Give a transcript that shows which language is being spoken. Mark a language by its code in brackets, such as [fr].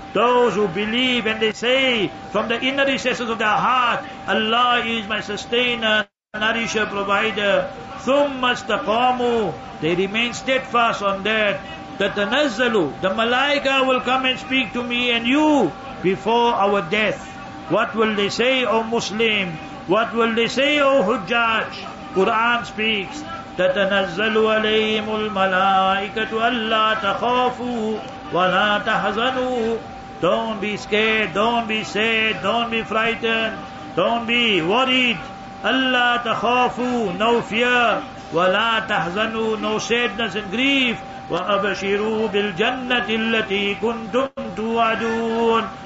[en] Those who believe and they say from the inner recesses of their heart, Allah is my sustainer, nourisher, provider. [ar] Thumma istaqamu. [en] They remain steadfast on that. The tanazzalu, the malaika will come and speak to me and you before our death. What will they say, O Muslim? What will they say, O Hujjaj? Quran speaks, [ar] تَتَنَزَّلُ عَلَيْهِمُ الْمَلَائِكَةُ أَلَّا تَخَافُوا وَلَا تَحَزَنُوا. [en] Don't be scared, don't be sad, don't be frightened, don't be worried. [ar] أَلَّا تَخَافُوا, [en] no fear. [ar] وَلَا تَحْزَنُوا, [en] no sadness and grief. [ar] وَأَبَشِرُوا بِالْجَنَّةِ الَّتِي كُنْتُمْ تُوَعَدُونَ.